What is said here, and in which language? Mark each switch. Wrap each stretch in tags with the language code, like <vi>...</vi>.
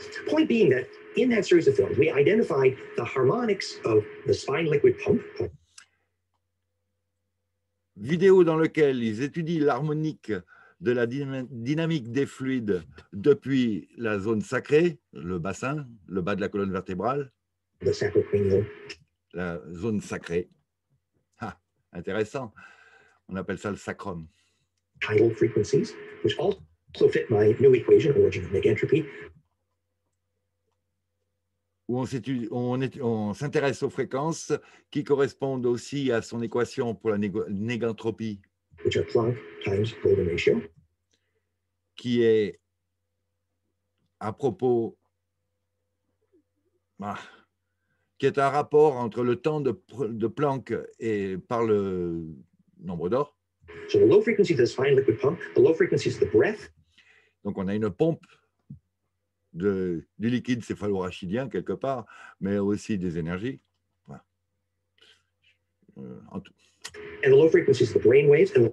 <en>Point being that in that series of films, we identified the harmonics of the spine liquid pump.</en> <fr>Vidéo dans lequel ils étudient l'harmonique de la dynamique des fluides depuis la zone sacrée, le bassin, le bas de la colonne vertébrale. La zone sacrée. Ah, intéressant. On appelle ça le sacrum.</fr> <en>Tidal frequencies, which also fit my new equation, Origin of Negentropy.</en> <fr>Où on s'intéresse aux fréquences qui correspondent aussi à son équation pour la négentropie.</fr> <en>Which are Planck times golden ratio.</en> <fr>Qui est à propos. Ah. Qui est un rapport entre le temps de Planck et par le nombre d'or.</fr> <en>So the low frequency of the spine liquid pump, the low frequency is the breath.</en> <fr>Donc on a une pompe du liquide céphalo-rachidien quelque part, mais aussi des énergies. Ouais.</fr> <en>And the low frequency is the brain waves.</en>